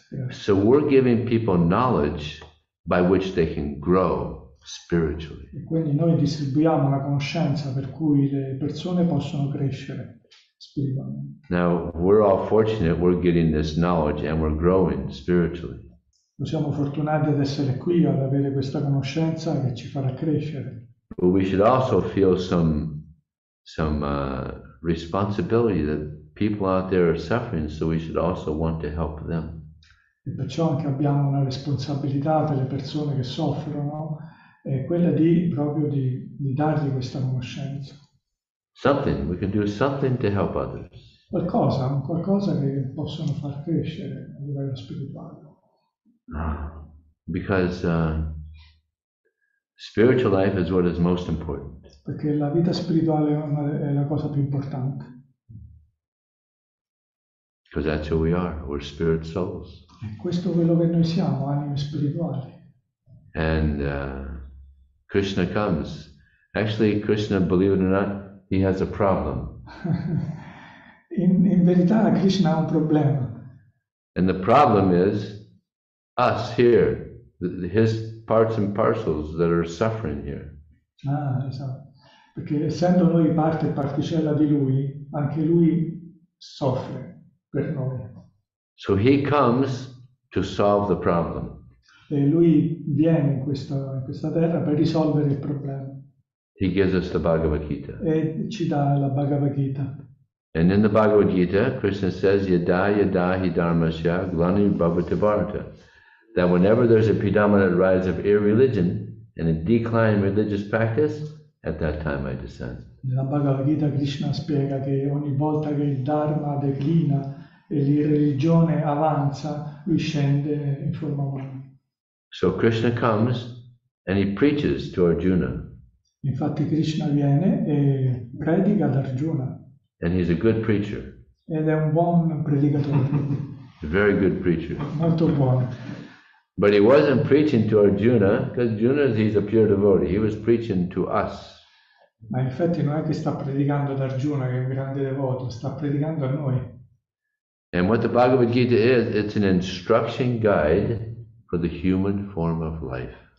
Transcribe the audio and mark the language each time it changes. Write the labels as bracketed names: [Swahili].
[English] So we're giving people knowledge by which they can grow spiritually. [Italian] E quindi noi distribuiamo la conoscenza per cui le persone possono crescere spiritualmente. [English] Now we're all fortunate we're getting this knowledge and we're growing spiritually. [Italian] Noi siamo fortunati ad essere qui ad avere questa conoscenza che ci farà crescere. [English] But we should also feel some responsibility that people out there are suffering, so we should also want to help them. [Italian] E perciò anche abbiamo una responsabilità per le persone che soffrono, è quella di proprio di dargli questa conoscenza. [English] Something, we can do something to help others. [Italian] Qualcosa che possono far crescere a livello spirituale. [English] Because spiritual life is what is most important. [Italian] Perché la vita spirituale è la cosa più importante. [English] Because that's who we are. We're spirit souls. [Italian] E questo è quello che noi siamo, anime spirituali. [English] And Krishna comes. Actually, Krishna, believe it or not, he has a problem. [Italian] In verità, Krishna ha un problema. [English] And the problem is us here, his parts and parcels that are suffering here. [Italian] Ah, esatto. Perché essendo noi parte e particella di lui, anche lui soffre. [English] So he comes to solve the problem. [Italian] E lui viene in questa terra per risolvere il problema. [English] He gives us the Bhagavad Gita. [Italian] E ci dà la Bhagavad Gita. [English] And in the Bhagavad Gita, Krishna says, [Sanskrit] "Yada yada hi dharmasya glani bhavati bharata," [English] that whenever there's a predominant rise of irreligion and a decline in religious practice, at that time I descend. [Italian] Nella Bhagavad Gita Krishna spiega che ogni volta che il Dharma declina e l'irreligione avanza, lui scende in forma umana. [English] So Krishna comes and he preaches to Arjuna. [Italian] Infatti Krishna viene e predica ad Arjuna. [English] And he's a good preacher. [Italian] Ed è un buon predicatore. [English] Very good preacher. [Italian] Molto buono. [English] But he wasn't preaching to Arjuna, because Arjuna is a pure devotee. He was preaching to us. [Italian] Ma in effetti non è che sta predicando ad Arjuna, che è un grande devoto, sta predicando a noi. [English] And what the Bhagavad Gita is, it's an instruction guide for the human form of life.